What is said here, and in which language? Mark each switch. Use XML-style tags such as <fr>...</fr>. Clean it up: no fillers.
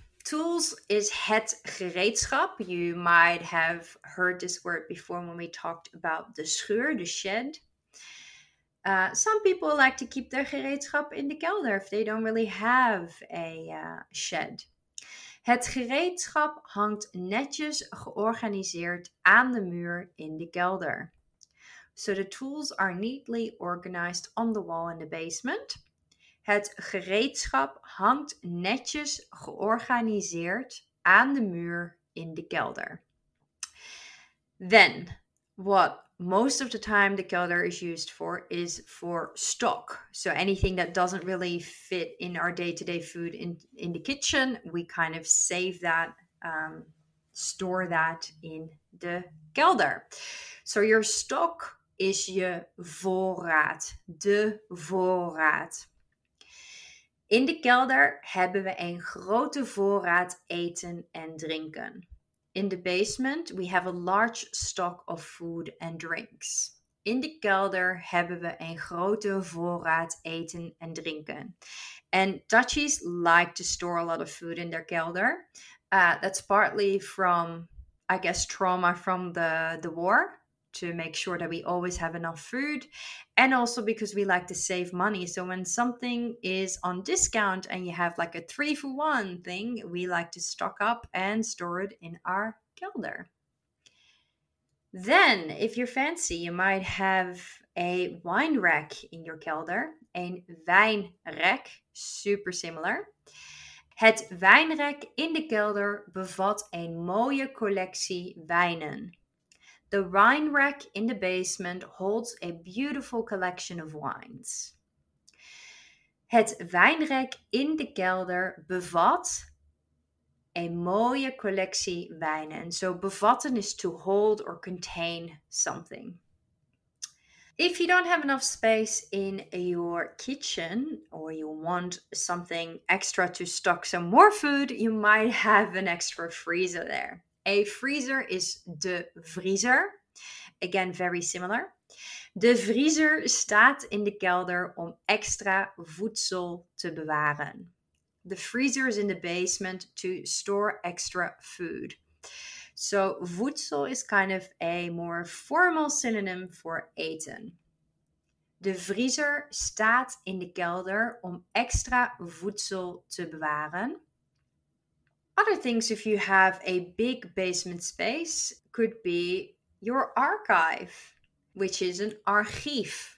<nl>Tools is het gereedschap.</nl> <en>You might have heard this word before when we talked about the schuur, the shed. Some people like to keep their gereedschap in the kelder if they don't really have a shed.</en> <nl>Het gereedschap hangt netjes georganiseerd aan de muur in de kelder.</nl> <en>So the tools are neatly organized on the wall in the basement.</en> <nl>Het gereedschap hangt netjes georganiseerd aan de muur in de kelder.</nl> <en>Then, what most of the time the kelder is used for is for stock. So anything that doesn't really fit in our day-to-day food in the kitchen, we kind of save that, store that in the kelder. So your stock is</en> <nl>je voorraad, de voorraad. In de kelder hebben we een grote voorraad eten en drinken.</nl> <en>In the basement, we have a large stock of food and drinks.</en> <nl>In de kelder hebben we een grote voorraad eten en drinken.</nl> <en>And Dutchies like to store a lot of food in their kelder. That's partly from, I guess, trauma from the war, to make sure that we always have enough food. And also because we like to save money. So when something is on discount and you have like a 3-for-1 thing, we like to stock up and store it in our kelder. Then, if you're fancy, you might have a wine rack in your kelder.</en> <nl>Een wijnrek,</nl> <en>super similar.</en> <nl>Het wijnrek in de kelder bevat een mooie collectie wijnen.</nl> <en>The wine rack in the basement holds a beautiful collection of wines.</en> <nl>Het wijnrek in de kelder bevat een mooie collectie wijnen.</nl> <en>So bevatten is to hold or contain something. If you don't have enough space in your kitchen or you want something extra to stock some more food, you might have an extra freezer there. A freezer is</en> <nl>de vriezer.</nl> <en>Again, very similar.</en> <nl>De vriezer staat in de kelder om extra voedsel te bewaren.</nl> <en>The freezer is in the basement to store extra food. So voedsel is kind of a more formal synonym for eten.</en> <nl>De vriezer staat in de kelder om extra voedsel te bewaren.</nl> <en>Other things, if you have a big basement space, could be your archive, which is an archief.</en>